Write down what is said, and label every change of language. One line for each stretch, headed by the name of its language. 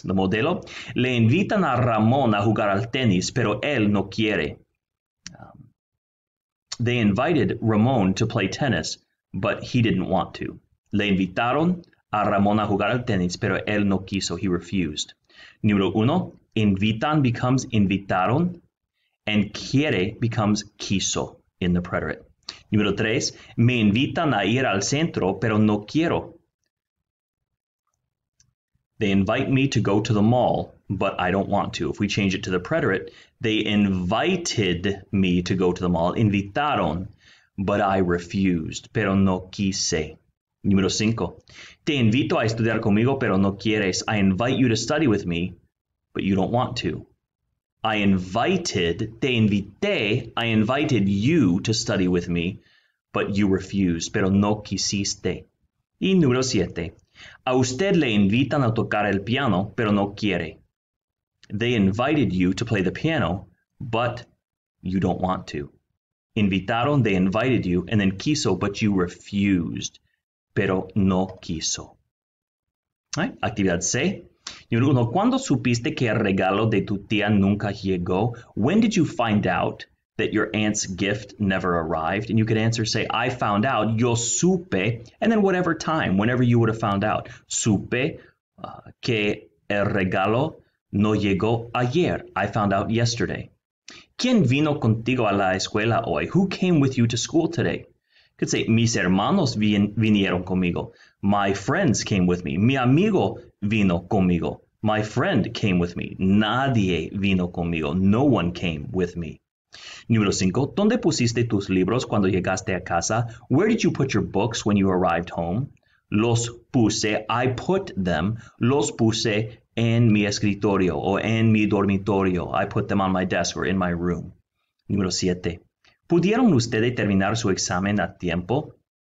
English: The modelo.
Spanish: Le invitan a Ramón a jugar al tenis, pero él no quiere.
English: They invited Ramón to play tennis, but he didn't want to.
Spanish: Le invitaron a Ramón a jugar al tenis, pero él no quiso.
English: He refused. Número uno, invitan becomes invitaron, and quiere becomes quiso in the preterite.
Spanish: Número tres, me invitan a ir al centro, pero no quiero.
English: They invite me to go to the mall, but I don't want to. If we change it to the preterite, they invited me to go to the mall.
Spanish: Invitaron.
English: But I refused,
Spanish: pero no quise. Número cinco. Te invito a estudiar conmigo, pero no quieres.
English: I invite you to study with me, but you don't want to. I invited,
Spanish: te invité,
English: I invited you to study with me, but you refused,
Spanish: pero no quisiste. Y número siete. A usted le invitan a tocar el piano, pero no quiere.
English: They invited you to play the piano, but you don't want to. Invitaron, they invited you, and then quiso, but you refused.
Spanish: Pero no quiso. Right. Actividad C. Número uno, ¿cuándo supiste que el regalo de tu tía nunca llegó?
English: When did you find out that your aunt's gift never arrived? And you could answer, say, I found out,
Spanish: yo supe,
English: and then whatever time, whenever you would have found out.
Spanish: Supe que el regalo no llegó ayer.
English: I found out yesterday.
Spanish: ¿Quién vino contigo a la escuela hoy?
English: Who came with you to school today? You could say,
Spanish: mis hermanos vinieron conmigo.
English: My friends came with me.
Spanish: Mi amigo vino conmigo.
English: My friend came with me.
Spanish: Nadie vino conmigo.
English: No one came with me.
Spanish: Número cinco. ¿Dónde pusiste tus libros cuando llegaste a casa?
English: Where did you put your books when you arrived home?
Spanish: Los puse.
English: I put them.
Spanish: Los puse. En mi escritorio o en mi dormitorio.
English: I put them on my desk or in my room.
Spanish: Número 7. ¿Pudieron ustedes terminar su examen a tiempo?